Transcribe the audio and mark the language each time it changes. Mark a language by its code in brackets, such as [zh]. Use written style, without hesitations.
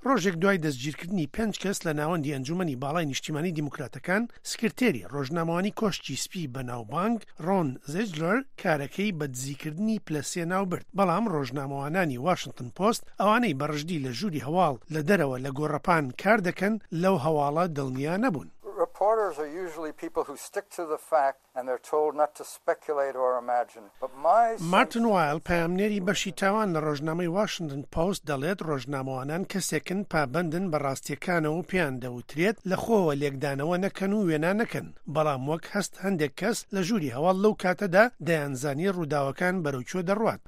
[ckb] ڕۆژێک دوای دەستگیرکردنی پێنج کەس لە ناوەندی ئەنجومەنی باڵای نیشتیمانی دیموکراتەکان، سکرتێری ڕۆژنامەوانی کۆشتی سپی بەناوبانگ ڕۆن زێجلەر کارەکەی بە دزیکردنی پلەسێ ناوبرد. بەڵام ڕۆژنامەوانانی واشنگتن پۆست ئەوانەی بەڕژدی لە ژووری هەواڵ لە دەرەوە لە گۆڕەپان کار دەکەن لەو هەواڵە دڵنیا نەبوون. [en] Reporters are usually people who stick to the fact and they're told not to speculate or imagine. But my [ckb] Martin Weil پەیامنێری بەشی تاوان لە ڕۆژنامەی واشنگتن پۆست دەڵێت ڕۆژنامەوانان کەسێکن پابندن بە ڕاستییەکانەوە پێیان دەوترێت لەخۆوە لێکدانەوە نەکەن و وێنا نەکەن. بەڵام وەک هەست هەندێک کەس لە ژووری هەواڵ لەو کاتەدا دەیانزانی ڕووداوەکان بەرەو چۆ دەڕوات.